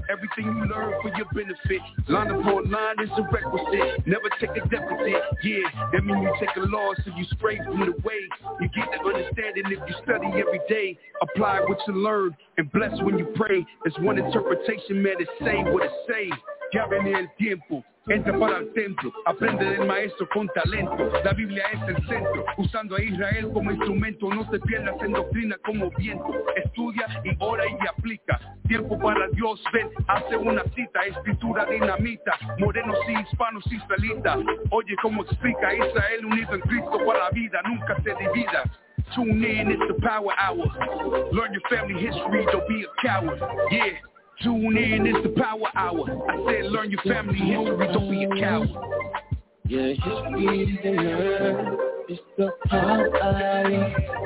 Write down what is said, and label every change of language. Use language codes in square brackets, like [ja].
[en] Everything you learn for your benefit. Line upon line is a requisite. Never take a deficit, yeah. That mean you take a loss and you spray from the way. You get the understanding if you study every day. Apply what you learn and bless when you pray. It's one interpretation, man, it say what it say. [es] Ya viene el tiempo, entra para el templo, aprende del maestro con talento, la Biblia es el centro, usando a Israel como instrumento, no te pierdas en doctrina como viento, estudia y ora y aplica, tiempo para Dios, ven, hace una cita, escritura dinamita, morenos y hispanos israelitas, oye cómo explica Israel unido en Cristo para la vida, nunca se divida. [en] Tune in, it's the power hour, learn your family history, don't be a coward, yeah. Tune in, it's the power hour. I said learn your family history, don't be a coward. Yeah, history to learn, it's the power hour.